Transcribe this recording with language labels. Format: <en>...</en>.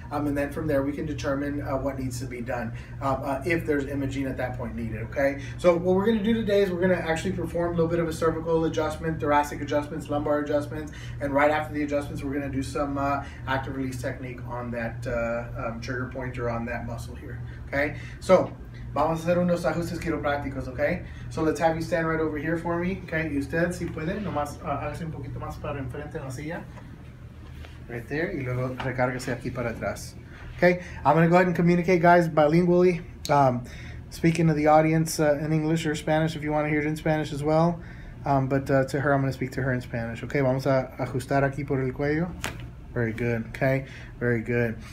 <en>And then from there we can determine what needs to be done if there's imaging at that point needed, okay? So what we're gonna do today is we're gonna actually perform a little bit of a cervical adjustment, thoracic adjustments, lumbar adjustments, and right after the adjustments, we're gonna do some active release technique on that trigger point or on that muscle here.</en> <es>Okay, so vamos a hacer unos ajustes quiroprácticos, okay?</es> <en>So let's have you stand right over here for me, okay?</en> <es>Y usted, si puede, nomás hágase un poquito más para enfrente en la silla.</es> <en>Right there,</en> <es>y luego recárguese aquí para atrás.</es> <en>Okay, I'm going to go ahead and communicate, guys, bilingually. Speaking to the audience in English or Spanish, if you want to hear it in Spanish as well. But to her, I'm going to speak to her in Spanish, okay?</en> <es>Vamos a ajustar aquí por el cuello.</es> <en>Very good, okay? Very good.</en>